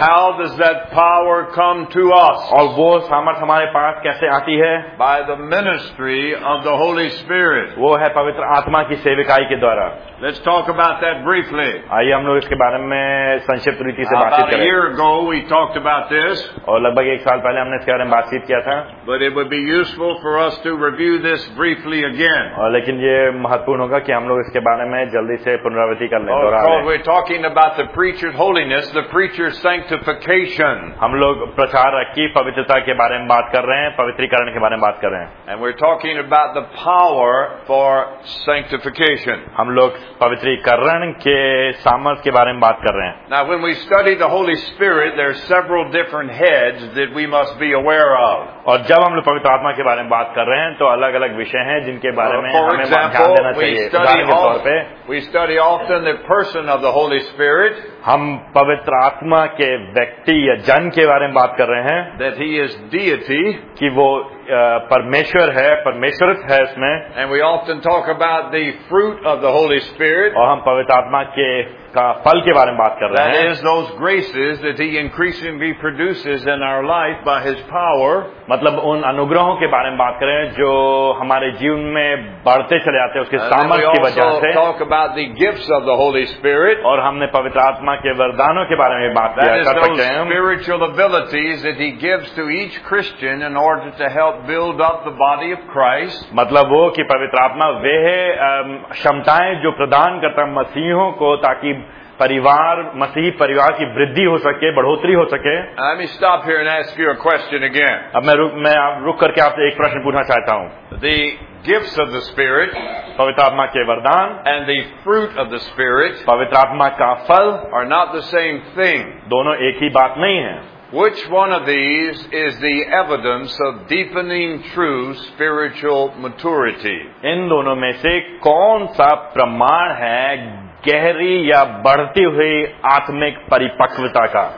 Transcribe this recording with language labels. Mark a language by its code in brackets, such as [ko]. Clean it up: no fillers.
[en] And how does that power come to us? [hi] और वो सामर्थ्य हमारे पास कैसे आती है? [en] By the ministry of the Holy Spirit. [hi] वो है पवित्र आत्मा की सेविकाई के द्वारा. [en] Let's talk about that briefly. [hi] आइए हम लोग इसके बारे में संक्षिप्त रीति से बातचीत करें. [en] About a year ago we talked about this. [hi] और लगभग एक साल पहले हमने इसके बारे में बातचीत किया था. [en] But it would be useful for us to review this briefly again. [hi] और लेकिन ये महत्वपूर्ण होगा कि हम लोग इसके बारे में जल्दी से पुनरावृत्ति कर लें. [en] We're talking about the preacher's holiness, the preacher's sanctification. [hi] हम लोग प्रचारक की पवित्रता के बारे में बात कर रहे हैं, पवित्रीकरण के बारे में बात कर रहे हैं. [en] And we're talking about the power for sanctification. [hi] हम लोग पवित्रीकरण के सामर्थ्य के बारे में बात कर रहे हैं. [en] Now when we study the Holy Spirit, there are several different heads that we must be aware of. [hi] और जब हम लोग पवित्र आत्मा के बारे में बात कर रहे हैं, तो अलग अलग विषय हैं जिनके बारे में हमें ध्यान देना चाहिए. [en] We study often the person of the Holy Spirit. [hi] हम पवित्र आत्मा के व्यक्ति या जन के बारे में बात कर रहे हैं. [en] That he is deity. [hi] कि वो परमेश्वर है, परमेश्वरत है इसमें. [en] And we often talk about the fruit of the Holy Spirit. [hi] और हम पवित्र आत्मा के का फल के बारे में बात कर रहे हैं. [en] That is those graces that he increasingly produces in our life by his power. [hi] मतलब उन अनुग्रहों के बारे में बात कर रहे हैं जो हमारे जीवन में बढ़ते चले जाते हैं उसके सामर्थ्य की वजह से. [en] Talk about the gifts of the Holy Spirit. [hi] और हमने पवित्र आत्मा के वरदानों के बारे में बात किया. [en] That is those spiritual abilities that he gives to each Christian in order to help build up the body of Christ. [hi] मतलब वो कि पवित्र आत्मा वे है क्षमताएं जो प्रदान करता है मसीहों को ताकि परिवार मसीह परिवार की वृद्धि हो सके, बढ़ोतरी हो सके. [en] Let me stop here and ask you a question again. [hi] अब मैं रुक करके आपसे एक प्रश्न पूछना चाहता हूँ. [en] The gifts of the Spirit, [hi] पवित्र आत्मा के वरदान, [en] and the fruit of the Spirit, [hi] पवित्र आत्मा का फल, [en] are not the same thing. [hi] दोनों एक ही बात नहीं है. [en] Which one of these is the evidence of deepening true spiritual maturity? [hi] इन दोनों में से कौन सा प्रमाण है गहरी या बढ़ती हुई आत्मिक परिपक्वता का?